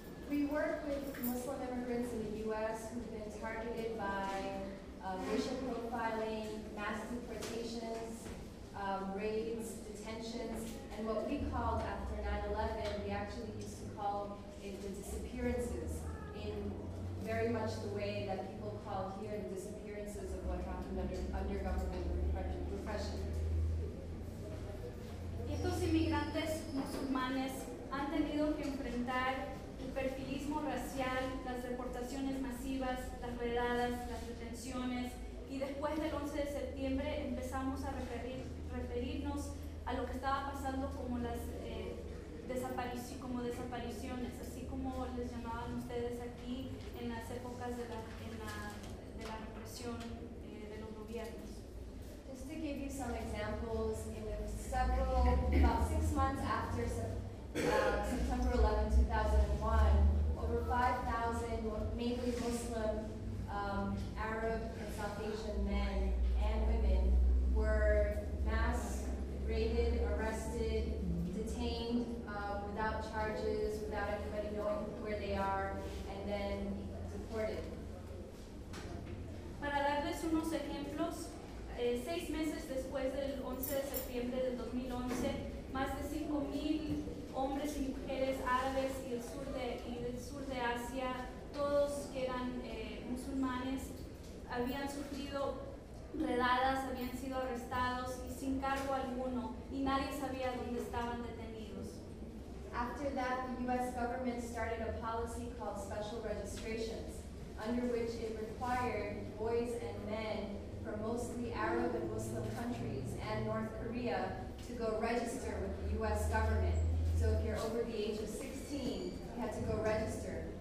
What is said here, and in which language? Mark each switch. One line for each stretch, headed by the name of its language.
English: We work with Muslim immigrants in the U.S. who've been targeted by racial profiling, mass deportations, raids, detentions, and what we called after 9/11, we actually used to call it the disappearances, in very much the way that people call here the disappearances of what happened under government repression.
Spanish: Estos inmigrantes musulmanes han tenido que enfrentar el perfilismo racial, las deportaciones masivas, las redadas, las detenciones, y después del 11 de septiembre empezamos a referirnos a lo que estaba pasando como las desapariciones, así como les llamaban ustedes aquí en las épocas de la represión de los gobiernos.
English: Just to give you some examples, in about 6 months after September 11, 2001, over 5,000 mainly Muslim Arab and South Asian men and women were mass raided, arrested, detained without charges, without anybody knowing where they are, and then deported.
Spanish: Para darles unos ejemplos, seis meses después del 11 de septiembre del 2011, más de 5,000 hombres y mujeres árabes y del sur de Asia, todos que eran musulmanes, habían sufrido redadas, habían sido arrestados y sin cargo alguno, y nadie sabía dónde estaban detenidos.
English: After that, the U.S. government started a policy called special registrations, under which it required boys and men from mostly Arab and Muslim countries and North Korea to go register with the U.S. government. So if you're over the age of 16, you had to go register.